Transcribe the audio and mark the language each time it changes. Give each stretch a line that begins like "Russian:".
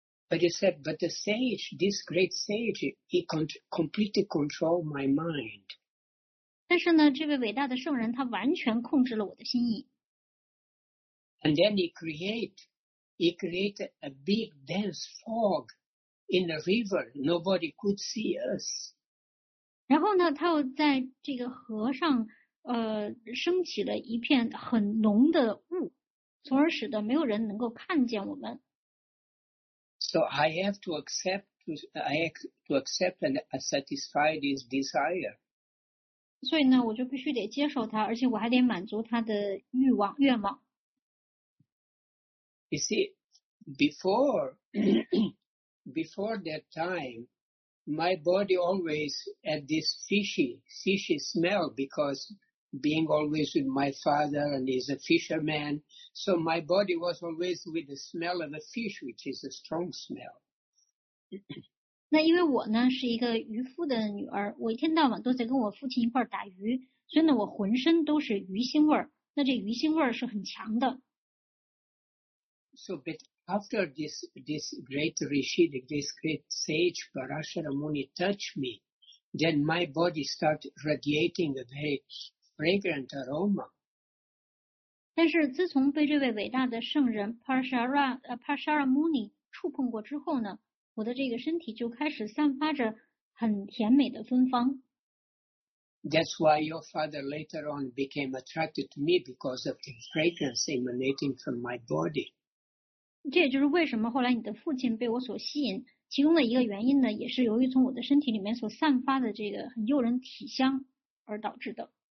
English: But he said, but the sage, this great sage, he completely controlled my mind.
Chinese: 但是呢，这位伟大的圣人他完全控制了我的心意。
English: And then he created a big dense fog in the river. Nobody could see us.
Chinese: 然后呢，他又在这个河上，升起了一片很浓的雾，从而使得没有人能够看见我们。
English: So I have to accept and satisfy this desire.
Chinese: 所以呢，我就必须得接受他，而且我还得满足他的欲望，愿望。
English: You see, before that time, my body always had this fishy smell because being always with my father, and he's a fisherman, so my body was always with the smell of a fish, which is a strong smell.
Chinese: 那因为我呢是一个渔夫的女儿，我一天到晚都在跟我父亲一块打鱼，所以呢我浑身都是鱼腥味儿，那这鱼腥味儿是很强的。
English: So, but after this great rishi, this great sage, Parashara Muni, touched me, then my body started radiating a very fragrant aroma.
Chinese: 但是自从被这位伟大的圣人 Parashara Muni 触碰过之后呢，我的这个身体就开始散发着很甜美的芬芳。
English: That's why your father later on became attracted to me because of the fragrance emanating from my body.
Chinese: 这也就是为什么后来你的父亲被我所吸引，其中的一个原因呢，也是由于从我的身体里面所散发的这个很诱人体香而导致的。